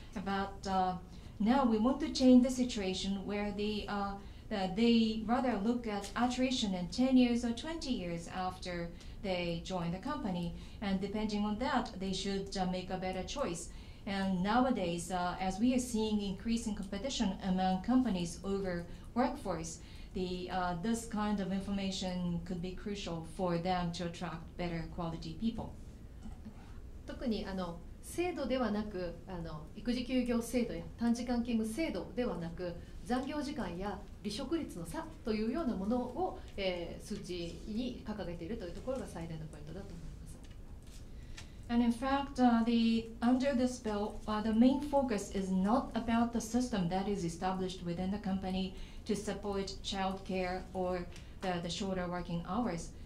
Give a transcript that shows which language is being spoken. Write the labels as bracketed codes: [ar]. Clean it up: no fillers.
[en] But now we want to change the situation where they rather look at attrition in 10 years or 20 years after they join the company, and depending on that, they should make a better choice. And nowadays, as we are seeing increasing competition among companies over workforce, this kind of information could be crucial for them to attract better quality people. [ja] 特に制度ではなく、育児休業制度や短時間勤務制度ではなく、残業時間や離職率の差というようなものを、数値に掲げているというところが最大のポイントだと思います。 [en] And in fact, under this bill, the main focus is not about the system that is established within the company to support child care or the shorter working hours.